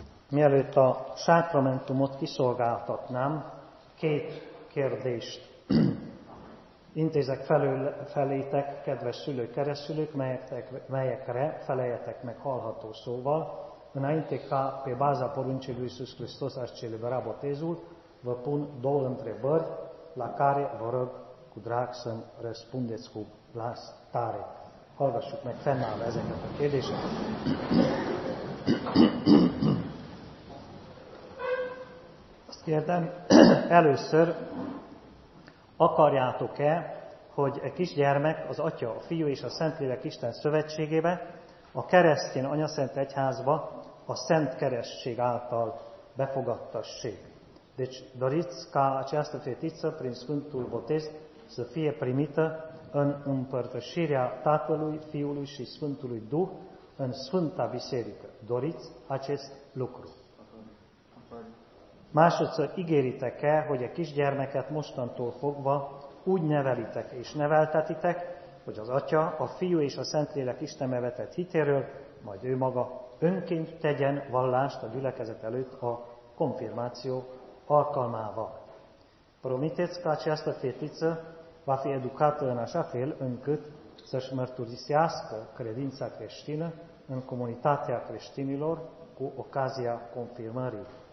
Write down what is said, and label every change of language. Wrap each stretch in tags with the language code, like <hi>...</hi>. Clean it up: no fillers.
<hu>Mielőtt a sákramentumot kiszolgáltatnám, két kérdést intézek felétek, kedves szülők, keresztülők, melyekre feleljetek meg hallható szóval.</hu> <ro>Înainte ca pe baza poruncii lui Iisus Hristos aș celebra botezul, vă pun două întrebări la care vă rog cu drag să răspundeți cu glas tare.</ro> <hu>Hallgassuk meg fennállva ezeket a kérdéseket. Azt kérdem, először akarjátok-e, hogy egy kisgyermek, az Atya, a Fiú és a Szentlélek Isten szövetségébe, a keresztény anyaszent egyházba, a Szent Keresztség által befogadtassék.</hu> <ro>Deci, doriți ca această fetiță, prin Sfântul Botez, să fie primită în împărtășirea Tatălui, Fiului și Sfântului Duh, în Sfânta Biserică. Doriți acest lucru.</ro> <hu>Másodszor ígéritek-e, hogy a kisgyermeket mostantól fogva úgy nevelitek és neveltetitek, hogy az Atya, a Fiú és a Szentlélek Istenbe vetett hitéről, majd ő maga önként tegyen vallást a gyülekezet előtt a konfirmáció alkalmával.</hu> <ro>Promiteți că această fetiță va fi educată în așa fel încât să-și mărturisească credința creștină în comunitatea creștinilor cu ocazia confirmării.</ro>